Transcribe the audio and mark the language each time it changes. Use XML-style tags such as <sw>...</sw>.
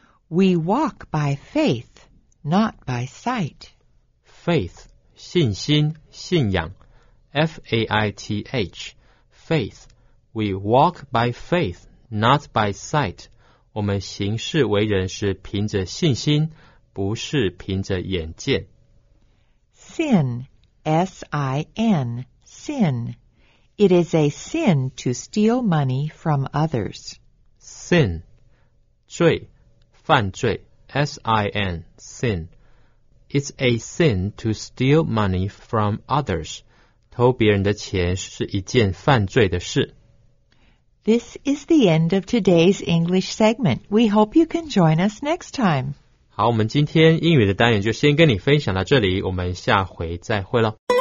<en>We walk by faith, not by sight. Faith,</en> <zh>信心、信仰。</zh> <en>F-A-I-T-H, faith. We walk by faith, not by sight.</en> <zh>我们行事为人是凭着信心，不是凭着眼见。</zh> <en>Sin. S-I-N, sin. It is a sin to steal money from others. Sin,</en> <zh>罪,犯罪,</zh> <en>S-I-N, sin. It's a sin to steal money from others.</en> <zh>偷别人的钱是一件犯罪的事。</zh> <en>This is the end of today's English segment. We hope you can join us next time.</en> <zh>好，我们今天英语的单元就先跟你分享到这里，我们下回再会了。</zh>